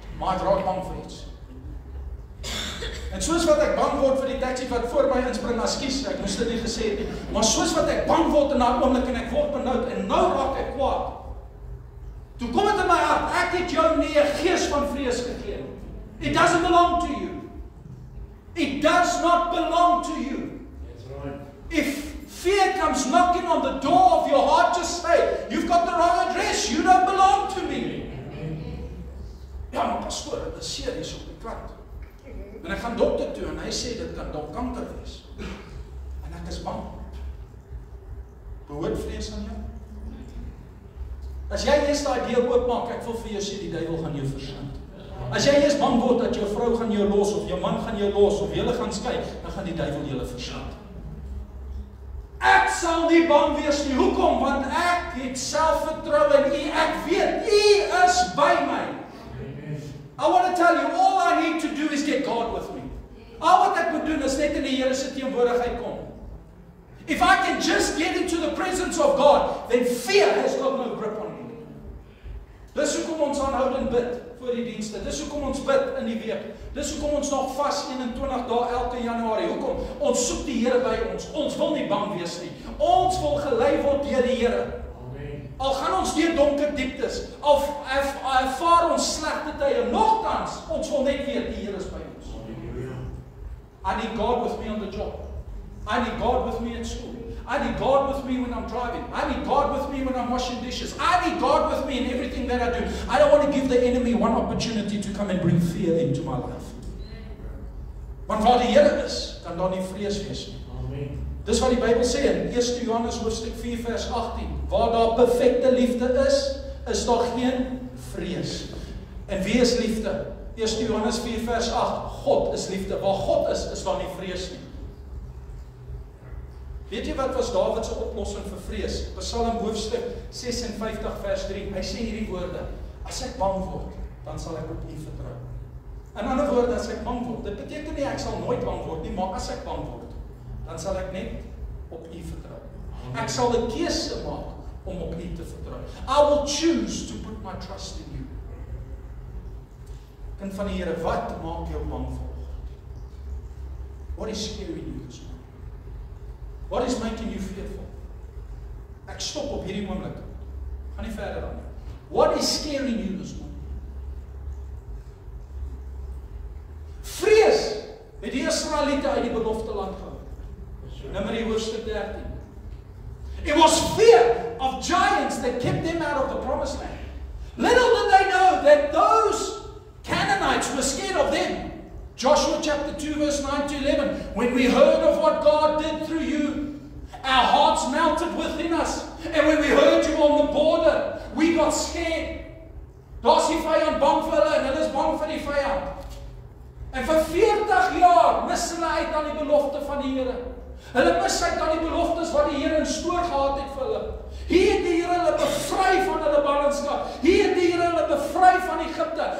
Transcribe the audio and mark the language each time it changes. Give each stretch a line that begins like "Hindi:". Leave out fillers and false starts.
Afrikaans: Maar ek raak bang vir iets. En soos wat ek bang word vir die taxi wat voor my inspring, askies, ek moes dit nie gesê het nie. Maar soos wat ek bang word in daardie oomblik en ek word benoud en nou raak ek kwaad. Toe kom dit in my hart, ek het jou nie 'n gees van vrees gegee nie.
English: It doesn't belong to you. It does not belong to you. That's right. If fear comes knocking on the door of your heart, just say, you've got the wrong address, you don't belong to me.
Afrikaans: Ja, maar pastoor, dit is serieus op die kant. En ek gaan dokter toe en hy sê, dit kan dalk kanker wees. En ek is bang. Behoort vrees aan jou? As jy eers daai deur oopmaak, ek wil vir jou sê, die duiwel gaan jou verslind. As jy eers bang word dat jou vrou gaan jou los, of jou man gaan jou los, of julle gaan skei, dan gaan die duiwel julle verslind. Ek sal nie bang wees nie, hoekom? Want ek het selfvertrou in U, ek weet, U is by my.
English: I want to tell you, all I need to do is get God with me.
Afrikaans: Al wat ek moet doen is net in die Here se teenwoordigheid kom.
English: If I can just get into the presence of God, then fear has got no grip on me.
Afrikaans: Dis hoekom ons aanhou en bid vir die dienste. Dis hoekom ons bid in die week. Dis hoekom ons nog vas 21 dae elke Januarie. Hoekom? Ons soek die Here by ons. Ons wil nie bang wees nie. Ons wil gelei word deur die Here. Amen. Al gaan ons deur donker dieptes, of ervaar ons slegte tye, nogtans, ons wil net weet die Here is by ons. Halleluja.
English: I need God with me on the job. I need God with me at school. I need God with me when I'm driving. I need God with me when I'm washing dishes. I need God with me in everything that I do. I don't want to give the enemy one opportunity to come and bring fear into my life.
Afrikaans: Want waar die Here is, kan daar nie vrees wees nie. Amen. Dis wat die Bybel sê in 1 Johannes hoofstuk 4 vers 18. Waar daar perfekte liefde is, is daar geen vrees. En wie is liefde? 1 Johannes 4 vers 8. God is liefde. Waar God is, is daar nie vrees nie. Weet jy wat was Dawid se oplossing vir vrees? Psalm hoofstuk 56 vers 3. Hy sê hierdie woorde: as ek bang word, dan sal ek op U vertrou. In ander woorde, as ek bang word, dit beteken nie ek sal nooit bang word nie, maar as ek bang word, dan sal ek net op U vertrou. Ek sal 'n keuse maak om op U te vertrou.
English: I will choose to put my trust in You.
Afrikaans: Kind van die Here, wat maak jou bang vanoggend?
English: What is scaring you? What is making you fearful?
Afrikaans: Ek stop op hierdie oomblik. Gaan nie verder aan nie.
English: What is scaring you this morning?
Afrikaans: Vrees het die Israeliete uit die belofte land gehou. Numeri hoofstuk 13.
English: It was fear of giants that kept them out of the promised land. Little did they know that those Canaanites were scared of them. Joshua chapter 2 verse 9 to 11. When we heard of what God did through you, our hearts melted within us. And when we heard you on the border, we got scared.
Afrikaans: Daar is die vijand bang vir hulle en hulle is bang vir die vijand. En vir 40 jaar mis hulle uit aan die belofte van die Here. Hulle mis uit aan die beloftes wat die Here in store gehad het vir hulle. Hier het die Here hulle bevry van hulle ballingskap. Hier het die Here hulle bevry van Egipte.